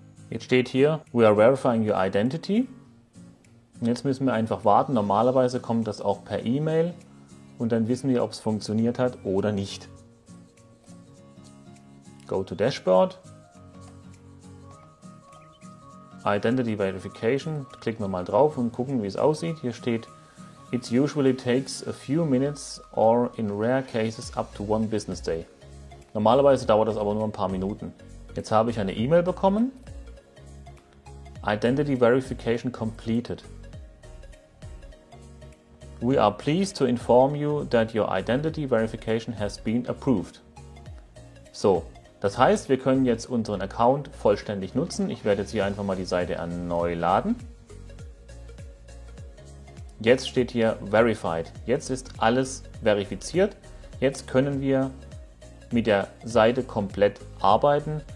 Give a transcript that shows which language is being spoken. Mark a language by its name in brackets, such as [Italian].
[German] Jetzt steht hier, [English] we are verifying your identity. [German] Und jetzt müssen wir einfach warten. Normalerweise kommt das auch per E-Mail. Und dann wissen wir, ob es funktioniert hat oder nicht. [English] Go to Dashboard. Identity Verification. [German] Klicken wir mal drauf und gucken, wie es aussieht. Hier steht, [English] it usually takes a few minutes or in rare cases up to one business day. [German] Normalerweise dauert das aber nur ein paar Minuten. Jetzt habe ich eine E-Mail bekommen. [English] Identity Verification completed. We are pleased to inform you that your identity verification has been approved. [German] So, das heißt, wir können jetzt unseren Account vollständig nutzen. Ich werde jetzt hier einfach mal die Seite neu laden. Jetzt steht hier verified. Jetzt ist alles verifiziert. Jetzt können wir mit der Seite komplett arbeiten.